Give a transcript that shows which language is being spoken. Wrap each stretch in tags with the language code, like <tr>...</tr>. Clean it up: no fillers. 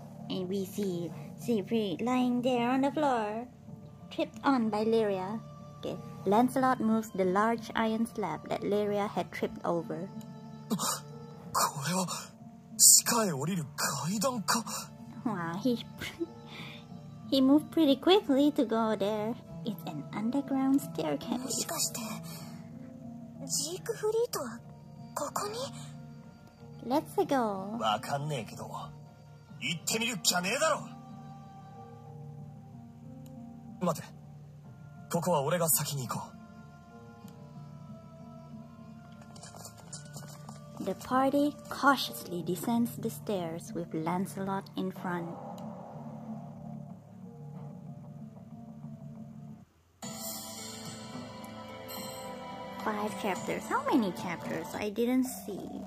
<en>And we see Siegfried lying there on the floor, tripped on by Lyria. Okay. Lancelot moves the large iron slab that Lyria had tripped over.</en> <ja>これは地下へ降りる階段か。</ja> <en>Wow, he's He moved pretty quickly to go there. It's an underground staircase.</en> <ja>もしかして、ジークフリートはここに？</ja> <en>Let's go.</en> <ja>わかんねえけど、行ってみるきゃねえだろ。待て、ここは俺が先に行こう。</ja> <en>The party cautiously descends the stairs with Lancelot in front. Five chapters. How many chapters? I didn't see.</en>